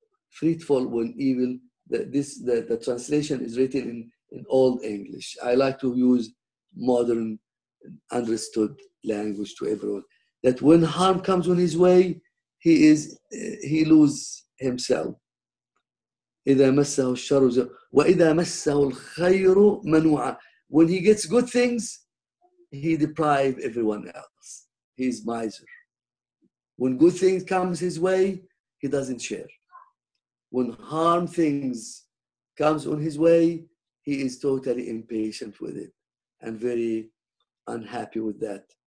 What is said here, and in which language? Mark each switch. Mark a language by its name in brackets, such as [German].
[English] Fruitful when evil, the translation is written in old English. I like to use modern understood language to everyone. That when harm comes on his way, he loses himself. [Arabic] إذا مسه الشر وإذا مسه الخير منوعا. [English] When he gets good things, he deprives everyone else. He is miser. When good things comes his way, he doesn't share. When harm things comes on his way, he is totally impatient with it and very unhappy with that.